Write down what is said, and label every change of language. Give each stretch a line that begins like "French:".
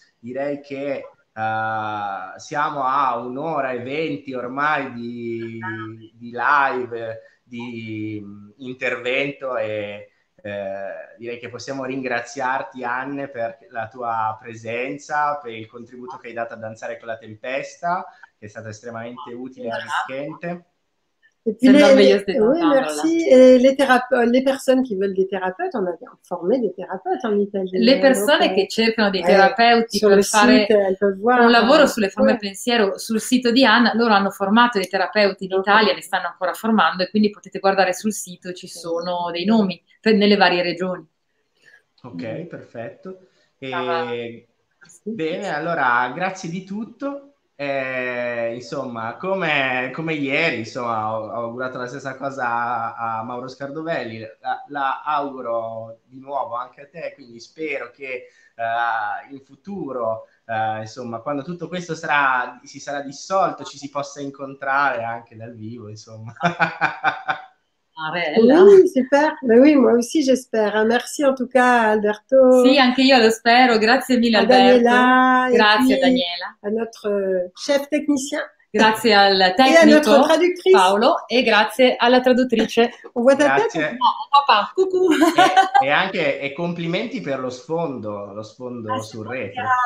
Italian: Direi che siamo a 1:20 ormai di live, di intervento, e direi che possiamo ringraziarti, Anne, per la tua presenza, per il contributo che hai dato a Danzare con la Tempesta, che è stata estremamente utile e arricchente.
French: Et puis les personnes qui veulent des thérapeutes, on a formé des thérapeutes en Italie. Les personnes qui cherchent des thérapeutes sur le site,
Italian: un lavoro sulle forme pensiero sul sito di Anna, loro hanno formato dei terapeuti in Italia, li stanno ancora formando e quindi potete guardare sul sito, ci sono dei nomi per, nelle varie regioni. Ok, perfetto. E, bene, allora grazie di tutto. Insomma, come ieri, insomma, ho augurato la stessa cosa a Mauro Scardovelli, la auguro di nuovo anche a te, quindi spero che in futuro, insomma, quando tutto questo si sarà dissolto, ci si possa incontrare anche dal vivo, insomma. Ah, bella.
French: Oui, super. Ben oui, moi aussi j'espère. Merci en tout cas Alberto.
Italian: Sì, anche io lo spero. Grazie mille Alberto. Daniela, grazie Daniela.
French: A notre chef technicien.
Italian: Grazie al tecnico e traduttrice. Paolo e grazie alla traduttrice. Grazie. Papà, cucù. E anche e complimenti per lo sfondo ah, sul retro.